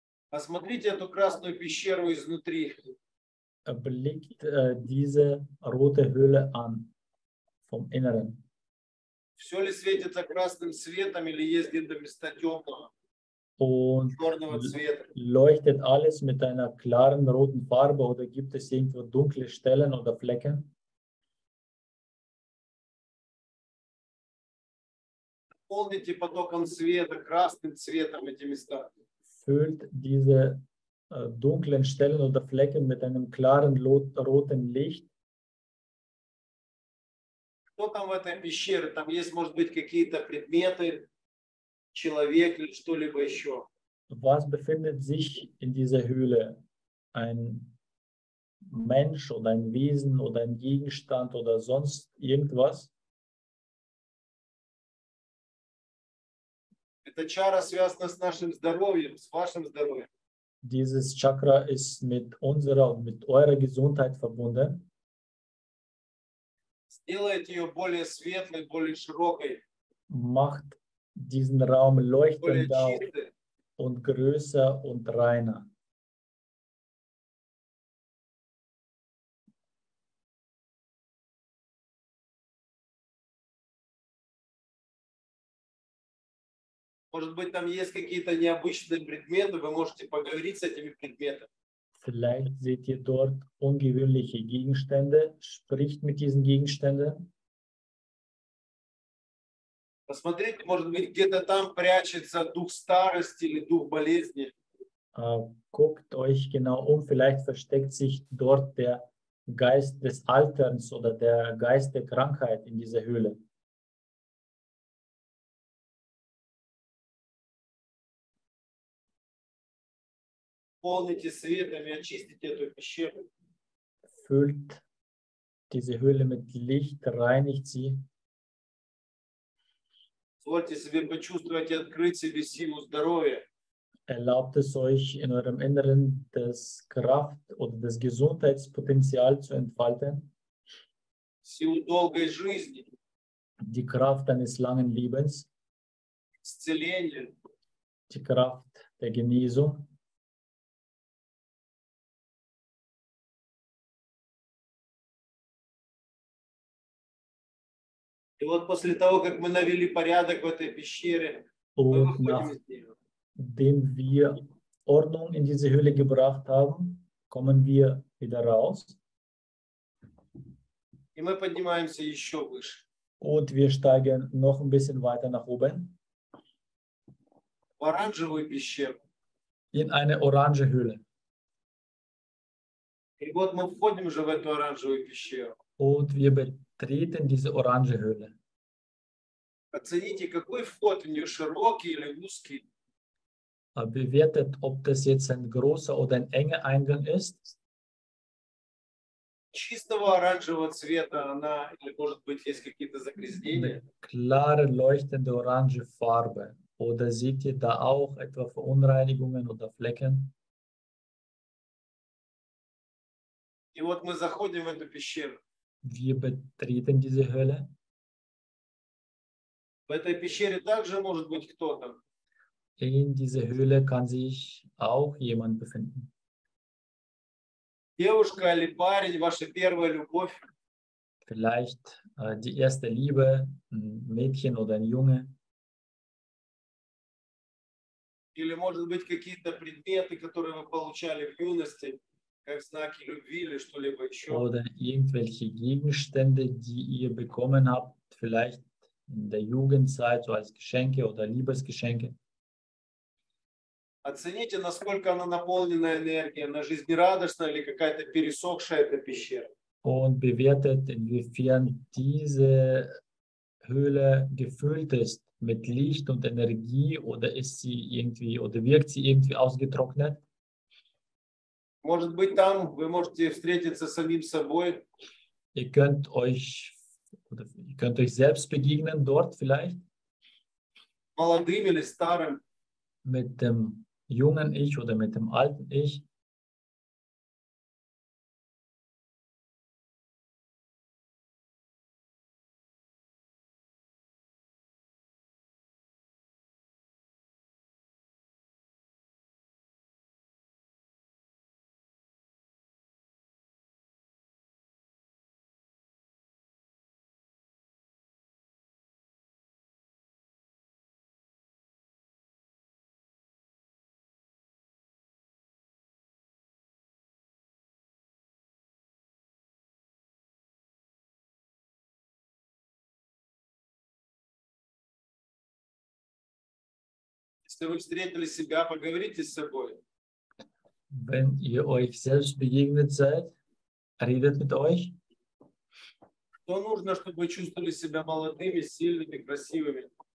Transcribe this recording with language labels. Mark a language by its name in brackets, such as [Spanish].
[Russian] Посмотрите эту красную пещеру изнутри. [German] Blickt diese rote Höhle an vom Inneren. [Russian] Все ли светится красным светом или есть где-то места темного, черного цвета? [German] Leuchtet alles mit einer klaren roten Farbe oder gibt es irgendwo dunkle Stellen oder Flecken? [Russian] Наполните потоком света красным цветом эти места. [German] Füllt diese dunklen Stellen oder Flecken mit einem klaren roten Licht. [Russian] Кто там в этой пещере? Там есть, может быть, какие-то предметы, человек или что-либо еще? [German] Was befindet sich in dieser Höhle? Ein Mensch oder ein Wesen oder ein Gegenstand oder sonst irgendwas? [Russian] Эта чара связана с нашим здоровьем, с вашим здоровьем. [German] Dieses Chakra ist mit unserer und mit eurer Gesundheit verbunden. [Russian] Сделайте ее более светлой, более широкой. [German] Macht diesen Raum leuchtender und größer und reiner. [Russian] Может быть, там есть какие-то необычные предметы, вы можете поговорить с этими предметами. [German] Vielleicht seht ihr dort ungewöhnliche Gegenstände, spricht mit diesen Gegenständen. [Russian] Посмотрите, может быть, где-то там прячется дух старости или дух болезни. [German] Guckt euch genau um, vielleicht versteckt sich dort der Geist des Alterns oder der Geist der Krankheit in dieser Höhle. [Russian] Полните светом и очистите эту пещеру. [German] Füllt diese Höhle mit Licht, reinigt sie. [Russian] Позвольте себе почувствовать и открыть себе силу здоровья. [German] Erlaubt es euch in eurem Inneren das Kraft- oder das Gesundheitspotenzial zu entfalten. [Russian] Силу долгой жизни. [German] Die Kraft eines langen Lebens. [Russian] Исцеление. [German] Die Kraft der Genesung. [Russian] И вот после того, как мы навели порядок в этой пещере, мы выходим из нее. Когда мы [German] Ordnung in diese Höhle gebracht haben, kommen wir wieder raus. [Russian] И мы поднимаемся еще выше. [German] Und wir steigen noch ein bisschen weiter nach oben. [Russian] В оранжевую пещеру. [German] In eine orange Höhle. [Russian] И вот мы входим уже в эту оранжевую пещеру. [German] Und wir betreten diese orange Höhle. [Russian] Оцените, какой вход в нее, широкий или узкий. [German] Bewertet, ob das jetzt ein großer oder ein enger Eingang ist. [Russian] Чистого оранжевого цвета она, или может быть, есть какие-то загрязнения. [German] Klare, leuchtende orange Farbe. Oder seht ihr da auch etwa Verunreinigungen oder Flecken? [Russian] И вот мы заходим в эту пещеру. [German] wir betreten diese Hölle. [Russian] В этой пещере также может быть кто-то. [German] In dieser Höhle kann sich auch jemand befinden. [Russian] Девушка или парень, ваша первая любовь. [German] Vielleicht die erste Liebe, ein Mädchen oder ein Junge. [Russian] Или, может быть, какие-то предметы, которые вы получали в юности, как знаки любви или что-либо еще. [German] Oder irgendwelche Gegenstände, die ihr bekommen habt, vielleicht in der Jugendzeit, so als Geschenke oder Liebesgeschenke. [Russian] Оцените, насколько она наполнена энергией, она жизнерадостная или какая-то пересохшая эта пещера. [German] Und bewertet, inwiefern diese Höhle gefüllt ist mit Licht und Energie oder ist sie irgendwie oder wirkt sie irgendwie ausgetrocknet? [Russian] Может быть, там вы можете встретиться с самим собой. [German] Ihr könnt euch selbst begegnen dort vielleicht. [Russian] Молодым или старым. [German] Mit dem jungen Ich oder mit dem alten Ich. [Russian] Если вы встретили себя, поговорите с собой. [German] Wenn ihr euch selbst begegnet seid, redet mit euch. [Russian] Что нужно, чтобы чувствовали себя молодыми, сильными, красивыми?